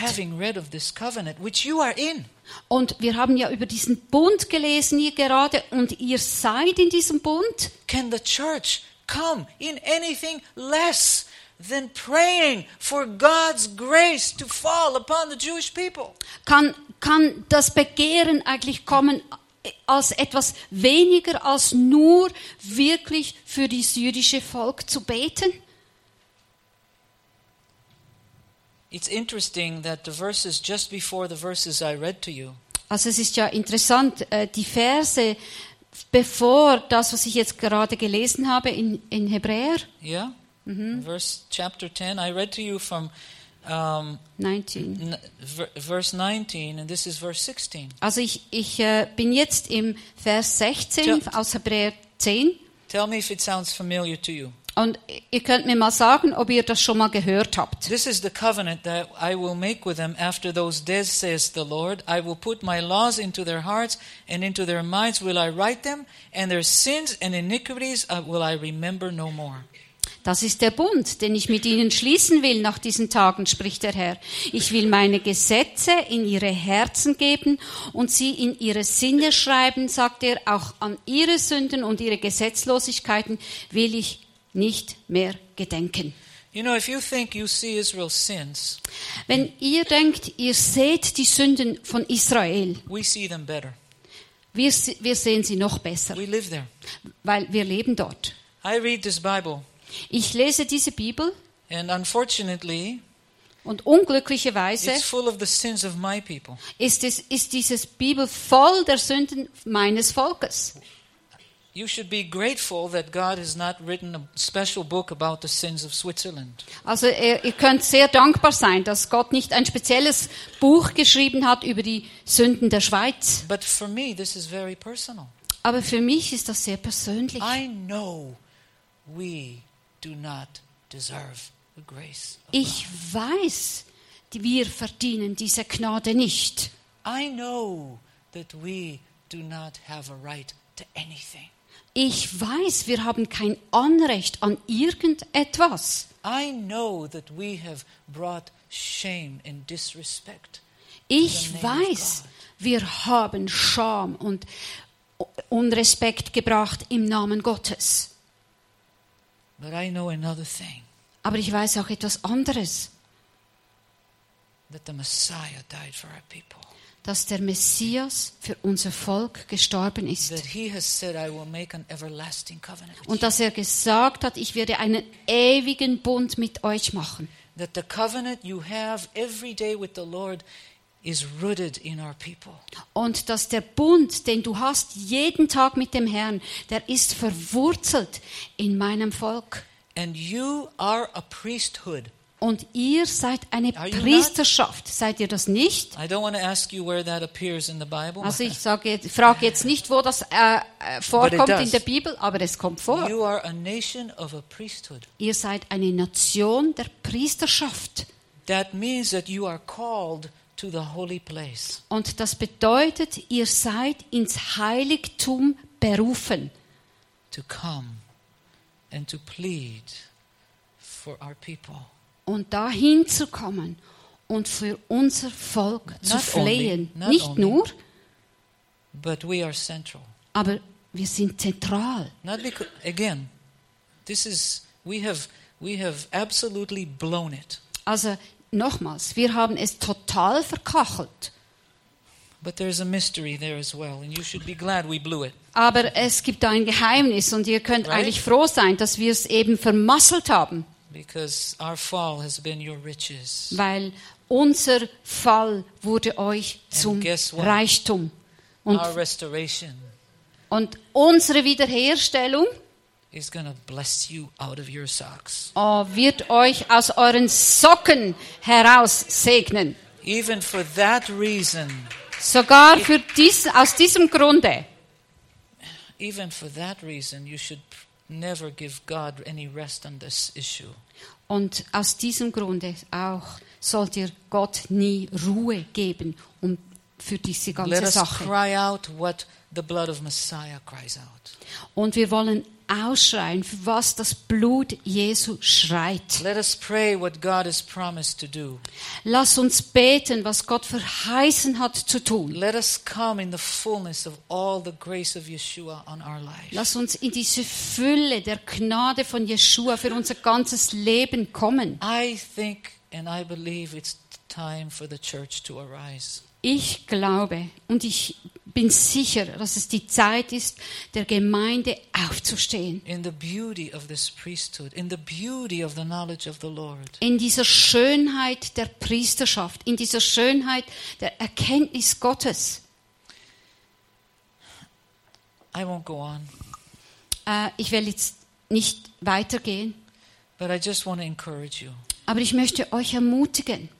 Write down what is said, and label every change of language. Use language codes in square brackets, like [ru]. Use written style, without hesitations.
[en] Having read of this covenant, which you are in. [de] Und wir haben ja über diesen Bund gelesen hier gerade und ihr seid in diesem Bund. [en] Can the church come in anything less than praying for God's grace to fall upon the Jewish people? [de] Kann das Begehren eigentlich kommen als etwas weniger als nur wirklich für das jüdische Volk zu beten? [en] It's interesting that the verses just before the verses I read to you. [de] Also es ist ja interessant, die Verse bevor das, was ich jetzt gerade gelesen habe in Hebräer. Ja. [en] Yeah. Mm-hmm. Verse chapter 10, I read to you from 19, and this is verse 16. [de] Also ich bin jetzt im Vers 16 aus Hebräer 10. [en] Tell me if it sounds familiar to you. [de] Und ihr könnt mir mal sagen, ob ihr das schon mal gehört habt. [en] This is the covenant that I will make with them after those days, says the Lord. I will put my laws into their hearts and into their minds will I write them, and their sins and iniquities will I remember no more. [de] Das ist der Bund, den ich mit ihnen schließen will nach diesen Tagen, spricht der Herr. Ich will meine Gesetze in ihre Herzen geben und sie in ihre Sinne schreiben, sagt er, auch an ihre Sünden und ihre Gesetzlosigkeiten will ich nicht mehr gedenken. [en] You know, if you think you see Israel's sins, [de] wenn ihr denkt, ihr seht die Sünden von Israel, [en] we see them better. [de] Wir sehen sie noch besser, [en] we live there. [de] Weil wir leben dort. [en] I read this Bible. [de] Ich lese diese Bibel [en] and unfortunately, [de] und unglücklicherweise [en] it's full of the sins of my people. [de] Ist dieses Bibel voll der Sünden meines Volkes. [en] You should be grateful that God has not written a special book about the sins of Switzerland. [de] Also ihr könnt sehr dankbar sein, dass Gott nicht ein spezielles Buch geschrieben hat über die Sünden der Schweiz. [en] But for me, this is very personal. [de] Aber für mich ist das sehr persönlich. [en] I know we do not deserve the grace of God. [de] Ich weiß, wir verdienen diese Gnade nicht. [en] I know that we do not have a right to anything. [de] Ich weiß, wir haben kein Anrecht an irgendetwas. [en] I know that we have brought shame and disrespect. [de] Ich weiß, wir haben Scham und Unrespekt gebracht im Namen Gottes. [en] But I know another thing. [de] Aber ich weiß auch etwas anderes. [en] That the Messiah died for our people. [de] Dass der Messias für unser Volk gestorben ist. [en] That he has said, I will make an everlasting covenant with you. [de] Und dass er gesagt hat, ich werde einen ewigen Bund mit euch machen. [en] That the covenant you have every day with the Lord is rooted in our people. [de] Und dass der Bund, den du hast jeden Tag mit dem Herrn, der ist verwurzelt in meinem Volk. [en] And you are a priesthood. [de] Und ihr seid eine Priesterschaft. Seid ihr das nicht? [en] I don't want to ask you where that appears in the Bible. [de] Also ich sage, frage jetzt nicht, wo das vorkommt in der Bibel, aber es kommt vor. [en] You are a nation of a priesthood. [de] Ihr seid eine Nation der Priesterschaft. [en] That means that you are called to the holy place. [de] Und das bedeutet, ihr seid ins Heiligtum berufen. [en] To come and to plead for our people. [de] Und dahin zu kommen und für unser Volk zu flehen. Nicht nur, [en] but we are central. [de] Aber wir sind zentral. [en] Not because, again, this is, we have absolutely blown it. [de] Also nochmals, wir haben es total verkachelt. [en] But there is a mystery there as well, and you should be glad we blew it. [de] Aber es gibt da ein Geheimnis und ihr könnt eigentlich froh sein, dass wir es eben vermasselt haben. [en] Because our fall has been your riches. [de] Weil unser Fall wurde euch zum Reichtum. Und [en] our restoration. [de] Und unsere Wiederherstellung [en] is gonna bless you out of your socks. [de] Wird euch aus euren Socken heraus segnen. [en] Even for that reason, [de] sogar für aus diesem Grunde. [en] Even for that reason, you should never give God any rest on this issue. [de] Und aus diesem Grunde auch sollt ihr Gott nie Ruhe geben für diese ganze [en] Let us [de] Sache. [en] Cry out what the blood of Messiah cries out. [de] Und wir wollen ausschreien, für was das Blut Jesu schreit. [en] Let us pray what God has promised to do. [de] Lass uns beten, was Gott verheißen hat zu tun. [en] Let us come in the fullness of all the grace of Yeshua on our life. [de] Lass uns in diese Fülle der Gnade von Yeshua für unser ganzes Leben kommen. [en] I think and I believe it's time for the church to arise. [de] Ich glaube und ich bin sicher, dass es die Zeit ist, der Gemeinde aufzustehen. [en] In the beauty of this priesthood, in the beauty of the knowledge of the Lord. [de] In dieser Schönheit der Priesterschaft, in dieser Schönheit der Erkenntnis Gottes. [en] I won't go on. [de] Ich will jetzt nicht weitergehen. [en] But I just want to encourage you. [de] Aber ich möchte euch ermutigen.